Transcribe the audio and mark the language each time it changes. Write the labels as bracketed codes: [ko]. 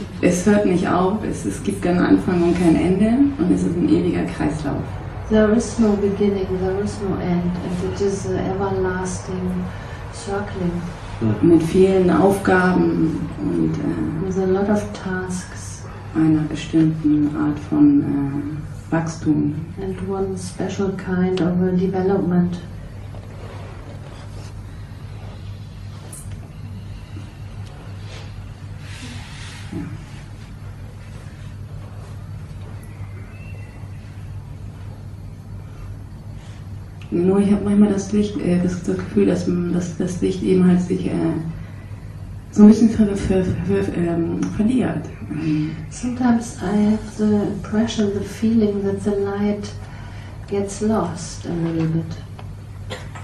[de] Es hört nicht auf, es gibt keinen Anfang und kein Ende und es ist ein ewiger Kreislauf. [en] There is no beginning, there is no end, and it is an everlasting circling. [de] Mit vielen Aufgaben und [en] with a lot of tasks. [de] Einer bestimmten Art von Wachstum. [en] And one special kind of a development. [de] Ja. Nur ich habe manchmal das Gefühl, dass das Licht eben halt sich so ein bisschen verliert. [en] Sometimes I have the impression, the feeling that the light gets lost a little bit.